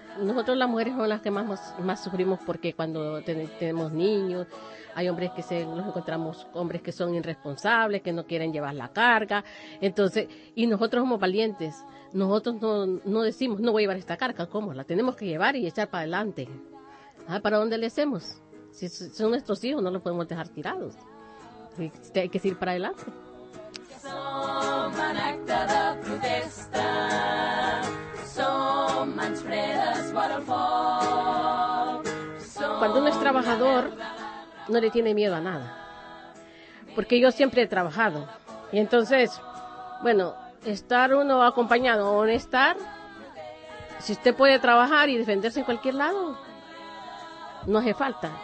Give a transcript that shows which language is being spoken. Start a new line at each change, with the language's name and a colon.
Spanish: Nosotros las mujeres somos las que más sufrimos, porque cuando tenemos niños, hay hombres que nos encontramos hombres que son irresponsables, que no quieren llevar la carga. Entonces, y nosotros somos valientes. Nosotros no decimos, no voy a llevar esta carga. ¿Cómo? La tenemos que llevar y echar para adelante. Ah, ¿para dónde le hacemos? Si son nuestros hijos, no los podemos dejar tirados. Hay que ir para adelante.
Catalan: Som un acte de protesta, som mans fredes vora el foc.
Spanish: Cuando uno es trabajador, no le tiene miedo a nada. Porque yo siempre he trabajado. Y entonces, bueno, estar uno acompañado o no estar, si usted puede trabajar y defenderse en cualquier lado, no hace falta.